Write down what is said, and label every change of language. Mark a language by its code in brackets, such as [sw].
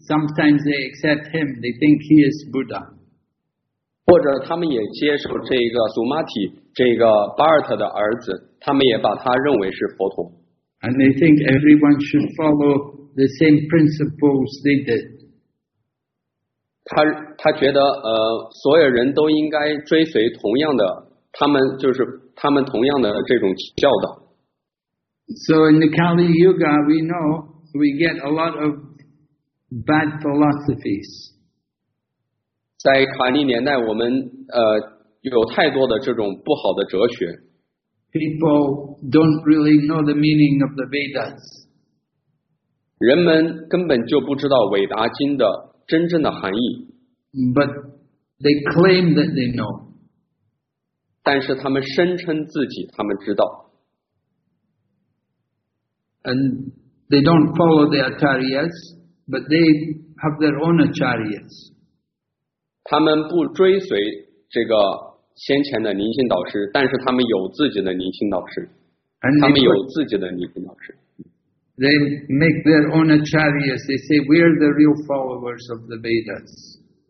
[en] Sometimes they accept him, they think he is Buddha. [zh] 或者他们也接受这个 Sumati, 这个 Bharat 的儿子，他们也把他认为是佛陀。 [en] And they think everyone should follow the same principles they did. [zh] 他觉得所有人都应该追随同样的，他们就是他们同样的这种教导。 [en] So in the Kali Yuga, we know we get a lot of bad philosophies. [zh] 在卡利年代，我们有太多的这种不好的哲学。 [en] People don't really know the meaning of the Vedas. [zh] 人们根本就不知道伟达经的真正的含义。 [en] But they claim that they know. [zh] 但是他们声称自己他们知道。 [en] And they don't follow the acharyas, but they have their own acharyas. [zh] 他们不追随这个先前的灵性导师，但是他们有自己的灵性导师，他们有自己的灵性导师。 [en] They make their own acharyas. They say we are the real followers of the Vedas.